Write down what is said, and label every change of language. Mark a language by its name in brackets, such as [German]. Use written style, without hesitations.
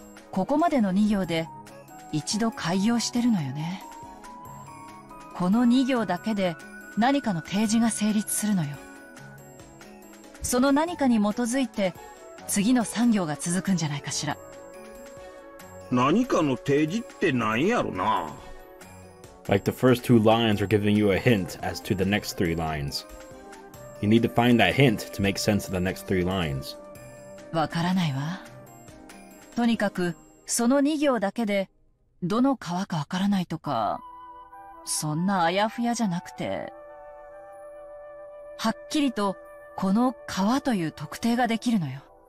[Japanese] ここまでの2行で一度開業してるのよね。この2行だけで何かの提示が成立するのよ。その何かに基づいて次の3行が続くんじゃないかしら。何かの提示って何やろな。 [English] Like the first two lines are giving you a hint as to the next three lines. You need to find that hint to make sense of the next three lines. [Japanese] わからないわ。とにかくその2行だけでどの川かわからないとか、そんなあやふやじゃなくて、はっきりとこの川という特定ができるのよ。